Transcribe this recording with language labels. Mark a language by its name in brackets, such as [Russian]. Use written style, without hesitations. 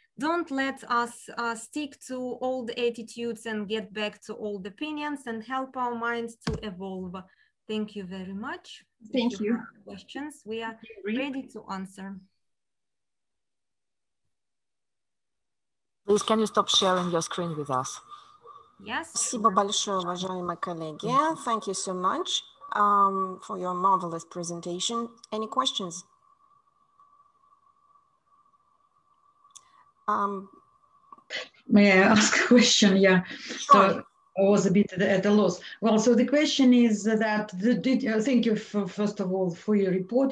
[English] Don't let us stick to old attitudes and get back to old opinions, and help our minds to evolve. Thank you very much. Thank you. Questions, we are ready to answer. Please, can you stop sharing your screen with us? Yes. [Russian] Спасибо большое, уважаемые коллеги. [English] Thank you so much for your marvelous presentation. Any questions? May I ask a question? Yeah. Sure. So I was a bit at a loss. Well, so the question is that, thank you, first of all, for your report.